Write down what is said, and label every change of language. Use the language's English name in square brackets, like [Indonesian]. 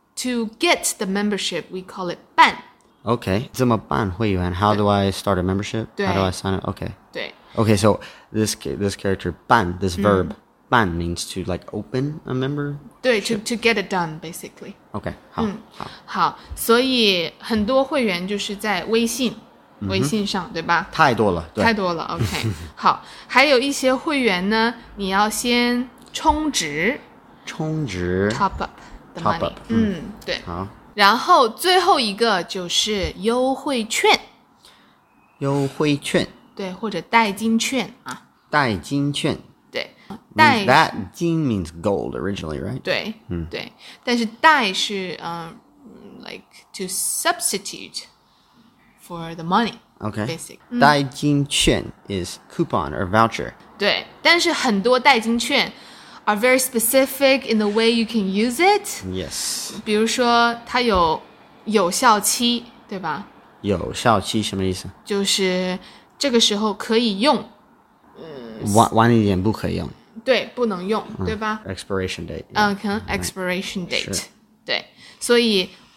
[English] to get the membership, we call it 办. Okay, [Chinese] 怎么办会员? [English] How do I start a membership? How do I sign up? Okay. [Chinese] 对. [English] Okay, so this character 办, this verb 办 means to like open a member? 对, to get it done, basically. [Chinese] Okay, 好, 好。好,所以很多会员就是在微信。微信上对吧太多了对太多了 OK 好还有一些会员呢你要先充值充值 [English] Top up the money Top up [Chinese] 对好然后最后一个就是优惠券优惠券对或者代金券啊代金券对 [English] 代 That 金 means gold originally right [Chinese] 对对但是代是 [English] like to substituteFor the money, okay. basic. 代金券 is coupon or voucher. [Chinese] 对，但是很多代金券 [English] are very specific in the way you can use it. Yes. [Chinese] 比如说它有有效期，对吧？有效期什么意思？就是这个时候可以用。晚一点不可以用。对，不能用，对吧 [English] ？Expiration date. Yeah. Okay, expiration date. Right. [Chinese] 对，所以。